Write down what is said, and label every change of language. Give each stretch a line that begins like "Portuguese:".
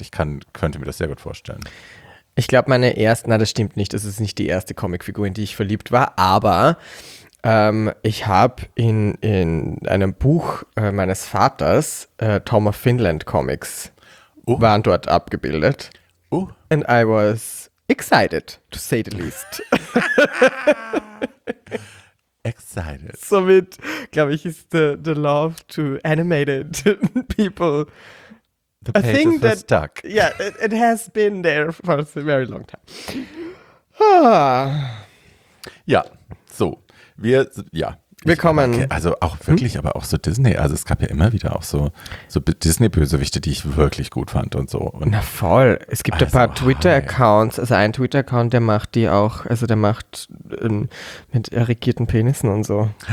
German: Ich könnte mir das sehr gut vorstellen. Ich glaube, das stimmt nicht. Das ist nicht die erste Comicfigur, in die ich verliebt war, aber... ich habe in einem Buch meines Vaters Tom of Finland Comics waren dort abgebildet.
English: And I was excited, to say the least. Excited.
German: Somit, glaube ich, ist
English: the love to animated people. The pages were stuck. Yeah, it has been there for a very long time.
German: Ja, so. Wir kommen. Also auch wirklich, aber auch so Disney. Also es gab ja immer wieder auch so Disney-Bösewichte, die ich wirklich gut fand und so. Und na voll. Es gibt also ein paar Twitter-Accounts. Also ein Twitter-Account, der macht die auch, also der macht mit erregierten Penissen und so.